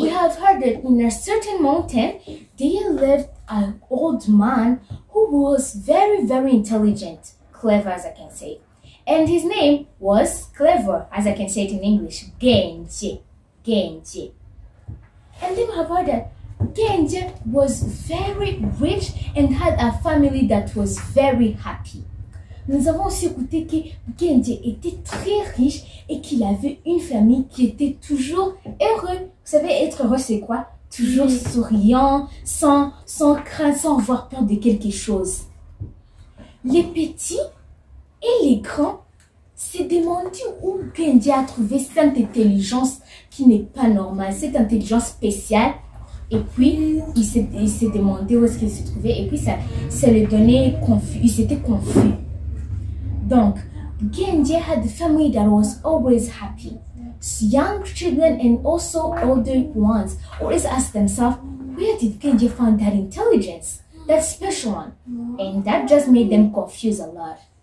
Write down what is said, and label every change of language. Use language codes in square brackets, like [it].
[en] We have heard that in a certain mountain, there lived an old man who was very, very intelligent, clever as I can say. And his name was clever, as I can say it in English, Genji. Genji. And then we have heard that Genji was very rich and had a family that was very happy. [fr] Nous avons aussi écouté que Genji était très riche et qu'il avait une famille qui était toujours heureuse. Vous savez, être heureux, c'est quoi? Toujours souriant, sans crainte, sans avoir peur de quelque chose. Les petits et les grands se demandaient où Genji a trouvé cette intelligence qui n'est pas normale, cette intelligence spéciale. Et puis, il s'est demandé où est-ce qu'il se trouvait. Et puis, ça lui donnait confus. Il s'était confus. [en] Donc, Genji had a family that was always happy. So young children and also older ones always ask themselves, where did Genji find that intelligence, that special one? And that just made them confused a lot.